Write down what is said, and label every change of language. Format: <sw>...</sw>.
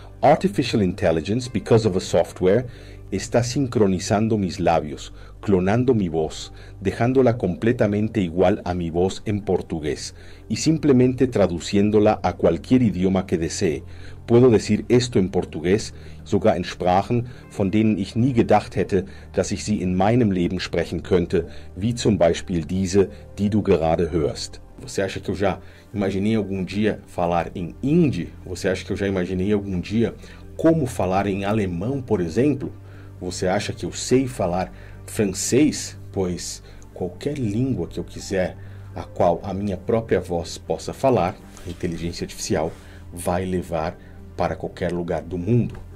<en>Artificial intelligence, because of a software,</en> <es>está sincronizando mis labios, clonando mi voz, dejándola completamente igual a mi voz en portugués y simplemente traduciéndola a cualquier idioma que desee. Puedo decir esto en portugués,</es> <de>sogar en Sprachen, von denen ich nie gedacht hätte, dass ich sie in meinem Leben sprechen könnte, wie zum Beispiel diese, die du gerade hörst.</de> <pt>Você acha que eu já imaginei algum dia falar em hindi? Você acha que eu já imaginei algum dia como falar em alemão, por exemplo? Você acha que eu sei falar francês? Pois qualquer língua que eu quiser, a qual a minha própria voz possa falar, a inteligência artificial vai levar para qualquer lugar do mundo.</pt>